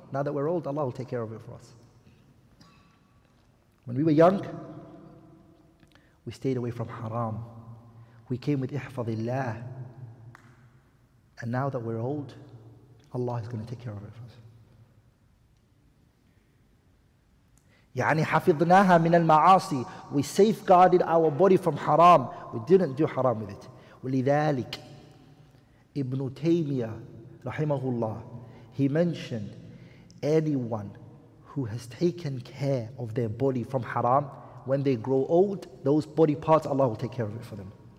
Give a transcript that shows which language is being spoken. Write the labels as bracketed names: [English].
[English] Now that we're old, Allah will take care of it for us. When we were young, we stayed away from haram. We came with [Arabic] إِحْفَظِ اللَّهِ. [English] And now that we're old, Allah is going to take care of it for us. [Arabic] يعني حفظناها من المعاصي. [English] We safeguarded our body from haram. We didn't do haram with it. ولذلك Ibn Taymiyyah رحمه الله, he mentioned anyone who has taken care of their body from haram, when they grow old, those body parts, Allah will take care of it for them.